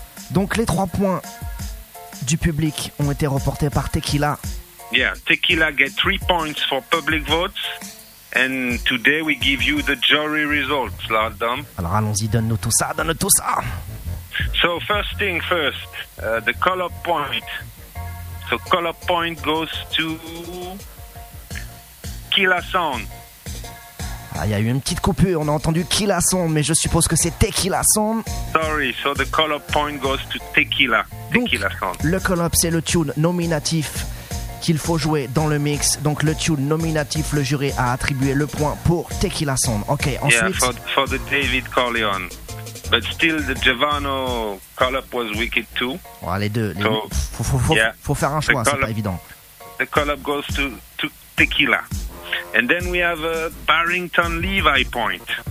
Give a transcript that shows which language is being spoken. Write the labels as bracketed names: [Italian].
[French] Donc les 3 points du public ont été reportés par Tequila. [English] Yeah, Tequila get 3 points for public votes. And today we give you the jury results, Lord Dom. [French] Alors allons-y, donne-nous tout ça, donne-nous tout ça. [English] So first thing first, the color point. So color point goes to Killa Sound. [French] Ah, il y a eu une petite coupure, on a entendu Killa Sound, mais je suppose que c'est Tequila Sound. [English] Sorry, so the color point goes to Tequila. Tequila Sound. [French] Le call-up, c'est le tune nominatif qu'il faut jouer dans le mix. Donc le tune nominatif, le jury a attribué le point pour Tequila Sound. Ok, ensuite. [English] Yeah, for the David Corleone. But still, the Giovanni call-up was wicked too. [French] Ouais, les deux. Les so, faut faire un choix, c'est pas évident. [English] The call-up goes to Tequila. And then we have a Barrington Levi point.